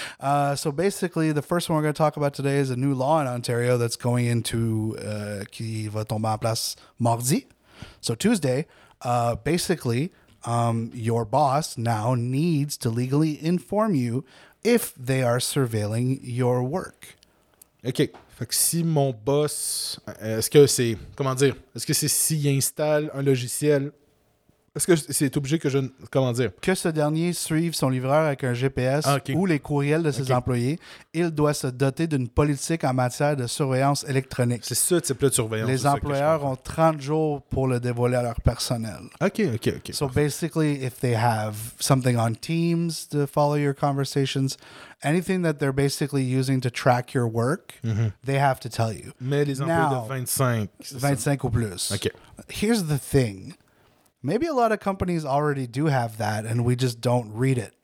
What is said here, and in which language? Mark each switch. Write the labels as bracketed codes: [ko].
[en] So basically, the first one we're going to talk about today is a new law in Ontario that's going into, [fr] qui va tomber en place mardi. [en] So Tuesday, your boss now needs to legally inform you if they are surveilling your work. Okay. [fr] Fait que si mon boss, est-ce que c'est s'il installe un logiciel, est-ce que c'est obligé que je, comment dire? Que ce dernier suive son livreur avec un GPS ou les courriels de ses employés, il doit se doter d'une politique en matière de surveillance électronique. C'est ce type-là de surveillance. Les employeurs ont 30 jours pour le dévoiler à leur personnel. OK. [en] So basically, if they have something on Teams to follow your conversations... Anything that they're basically using to track your work, they have to tell you. [fr] Mais les employés de 25 ou plus. [en] Okay. Here's the thing. Maybe a lot of companies already do have that and we just don't read it.